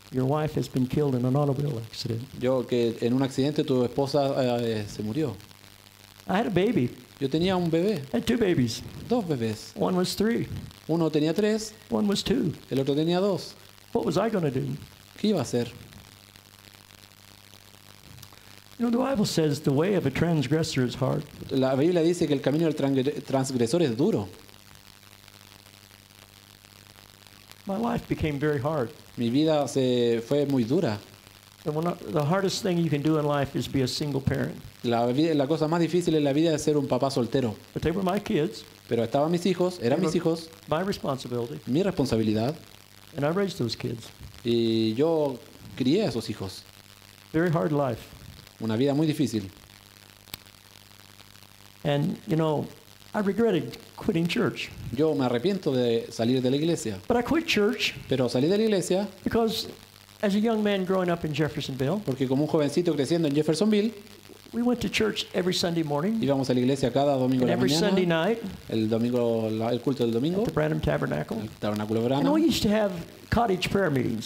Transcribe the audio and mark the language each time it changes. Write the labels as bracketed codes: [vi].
[en] Your wife has been killed in an automobile accident. [es] Yo que en un accidente tu esposa se murió. [en] I had a baby. [es] Yo tenía un bebé. [en] I had 2 babies. [es] 2 bebés. [en] One was 3. [es] Uno tenía 3. [en] One was 2. [es] El otro tenía 2. [en] What was I going to do? [es] ¿Qué iba a hacer? [en] You know, the Bible says the way of a transgressor is hard. [es] La Biblia dice que el camino del transgresor es duro. [en] My life became very hard. [es] Mi vida se fue muy dura. [en] The hardest thing you can do in life is be a single parent. [es] La cosa más difícil en la vida es ser un papá soltero. [en] But they were my kids. [es] Pero estaban mis hijos, eran mis hijos. [en] My responsibility. [es] Mi responsabilidad. [en] And I raised those kids. [es] Y yo crié a esos hijos. [en] Very hard life. [es] Una vida muy difícil. [en] And you know, I regretted quitting church. [es] Yo me arrepiento de salir de la iglesia. [en] But I quit church. [es] Pero salí de la iglesia. [en] Because as a young man growing up in Jeffersonville, [es] porque como un jovencito creciendo en Jeffersonville, [en] we went to church every Sunday morning. [es] Íbamos a la iglesia cada domingo [en] and every [es] mañana, [en] Sunday night. [es] El domingo, el culto del domingo. [en] At the Branham Tabernacle. [es] El tabernáculo Branham. [en] And we used to have cottage prayer meetings.